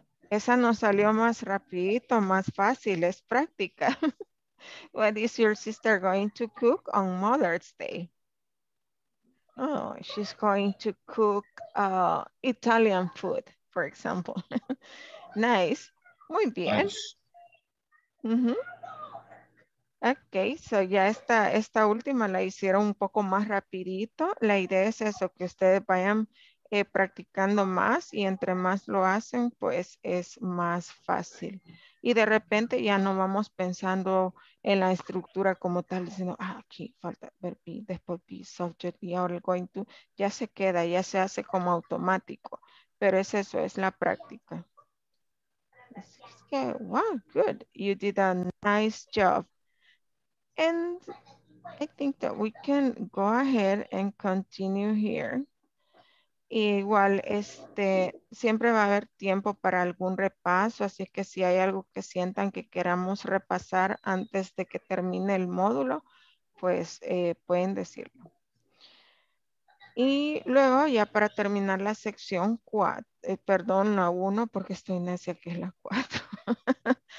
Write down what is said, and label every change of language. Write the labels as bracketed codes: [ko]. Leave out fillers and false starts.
[es] Esa nos salió más rapidito, más fácil, es práctica. [en] What is your sister going to cook on Mother's Day? Oh, she's going to cook Italian food, for example. Nice. [es] Muy bien. [en] Okay, so [es] ya esta última la hicieron un poco más rapidito. La idea es eso, que ustedes vayan practicando más y entre más lo hacen, pues es más fácil. Y de repente ya no vamos pensando en la estructura como tal, diciendo, ah, aquí falta verb, después be subject, y ahora going to, ya se queda, ya se hace como automático. Pero es eso, es la práctica. Es que, [en] wow, good, you did a nice job. And I think that we can go ahead and continue here. [es] Y igual, siempre va a haber tiempo para algún repaso, así que si hay algo que sientan que queramos repasar antes de que termine el módulo, pues pueden decirlo. Y luego ya para terminar la sección 4, perdón, la 1, porque estoy necia que es la 4.